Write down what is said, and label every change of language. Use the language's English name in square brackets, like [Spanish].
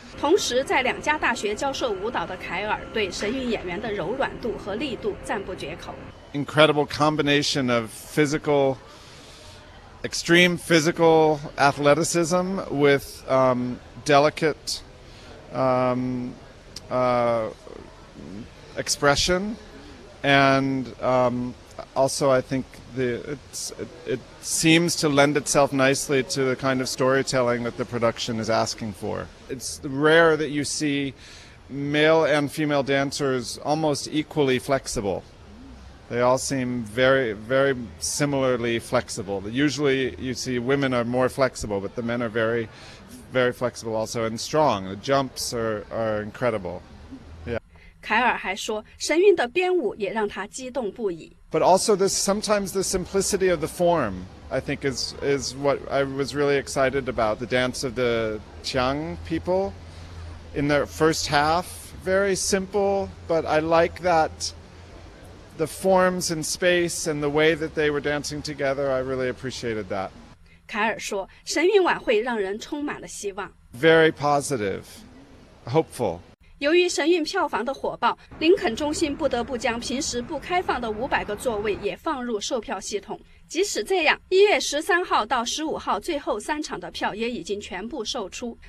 [Chinese] 同时在两家大学教授舞蹈的凯尔对神韵演员的柔软度和力度赞不绝口。 [English] Incredible combination of physical, extreme physical athleticism with delicate expression. And also I think it seems to lend itself nicely to the kind of storytelling that the production is asking for. It's rare that you see male and female dancers almost equally flexible. They all seem very, very similarly flexible. Usually you see women are more flexible, but the men are very, very flexible also and strong. The jumps are incredible. Yeah. [Chinese] 凯尔还说，神韵的编舞也让他激动不已。 [English] But also sometimes the simplicity of the form. I think is what I was really excited about. The dance of the Qiang people in their first half, very simple, but I like that the forms and space and the way that they were dancing together, I really appreciated that. [Chinese] 凯尔说，神韵晚会让人充满了希望。 [English] Very positive, hopeful. [Chinese] 由于神韵票房的火爆，林肯中心不得不将平时不开放的500个座位也放入售票系统。即使这样，1月13号到15号最后三场的票也已经全部售出。